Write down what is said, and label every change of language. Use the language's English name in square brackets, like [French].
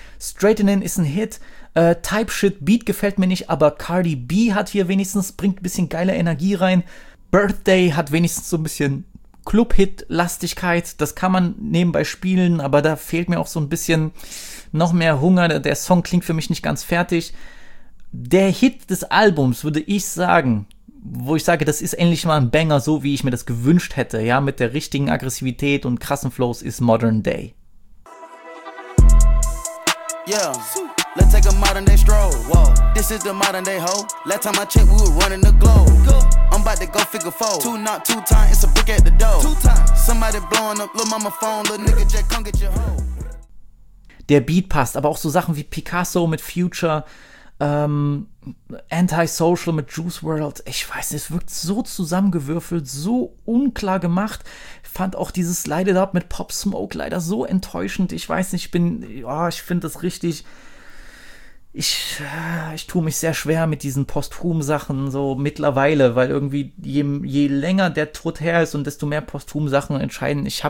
[German] Straightening ist ein Hit, Type Shit Beat gefällt mir nicht, aber Cardi B hat hier wenigstens, bringt ein bisschen geile Energie rein, Birthday hat wenigstens so ein bisschen Club-Hit-Lastigkeit, das kann man nebenbei spielen, aber da fehlt mir auch so ein bisschen noch mehr Hunger. Der Song klingt für mich nicht ganz fertig. Der Hit des Albums, würde ich sagen, wo ich sage, das ist endlich mal ein Banger, so wie ich mir das gewünscht hätte, ja, mit der richtigen Aggressivität und krassen Flows, ist Modern Day. [English] Yeah, let's take a modern day stroll. Whoa, this is the modern day hoe. Last time I checked, we were running the globe. I'm about to go figure four. Two knock, two time, it's a brick at the door. Two time, somebody blowing up, little mama phone, little nigga Jack, come get your hoe. [German] Der Beat passt, aber auch so Sachen wie Picasso mit Future, Antisocial mit Juice WRLD. Ich weiß nicht, es wirkt so zusammengewürfelt, so unklar gemacht. Ich fand auch dieses Light It Up mit Pop Smoke leider so enttäuschend. Ich weiß nicht, ich finde das richtig. Ich tue mich sehr schwer mit diesen Posthum-Sachen so mittlerweile, weil irgendwie je länger der Tod her ist und desto mehr Posthum-Sachen entscheiden.